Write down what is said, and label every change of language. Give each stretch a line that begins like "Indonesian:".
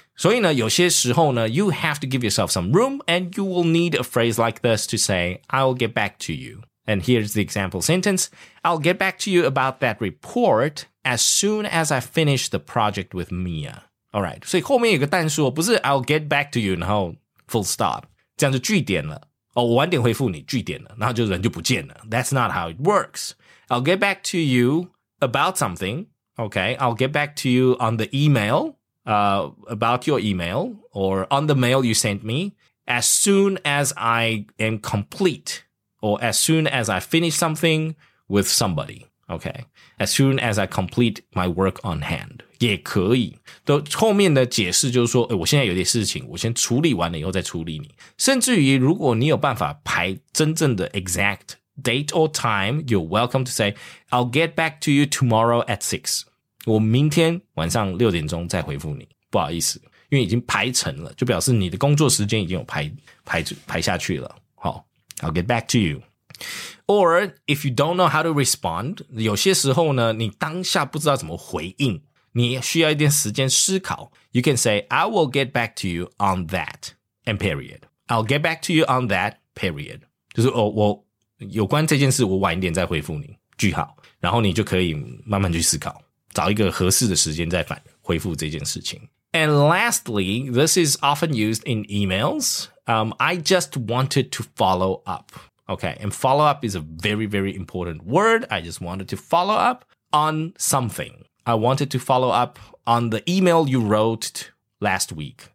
Chinese: 所以呢，有些时候呢
English: ，you have to give yourself some room and you will need a phrase like this to say I'll get back to you. And here's the example sentence. I'll get back to you about that report as soon as I finish the project with Mia.
Chinese: All right. 所以后面有个但说，不是
English: I'll get back to you,
Chinese: 然后 full stop. 这样就句点了。哦，我晚点回复你，句点了，然后就人就不见了。
English: That's not how it works. I'll get back to you about something. Okay. I'll get back to you on the email, about your email, or on the mail you sent me, as soon as I am complete. Or as soon as I finish something with somebody, okay? As soon as I complete my work on hand.
Chinese: 也可以。都后面的解释就是说，诶，我现在有点事情，我先处理完了以后再处理你。甚至于如果你有办法排真正的
English: exact date or time, you're welcome to say, I'll get back to you tomorrow at 6.
Chinese: 我明天晚上六点钟再回复你。不好意思，因为已经排成了，就表示你的工作时间已经有排下去了。好。
English: I'll get back to you. Or if you don't know how to respond,
Chinese: 有些时候呢，你当下不知道怎么回应，你需要一点时间思考。
English: You can say, I will get back to you on that, and period. I'll get back to you on that, period.
Chinese: 就是、哦、我有关这件事，我晚一点再回复你，句号。然后你就可以慢慢去思考，找一个合适的时间再反回复这件事情。
English: And lastly, this is often used in emails. I just wanted to follow up. Okay, and follow up is a very, very important word. I just wanted to follow up on something. I wanted to follow up on the email you wrote last week.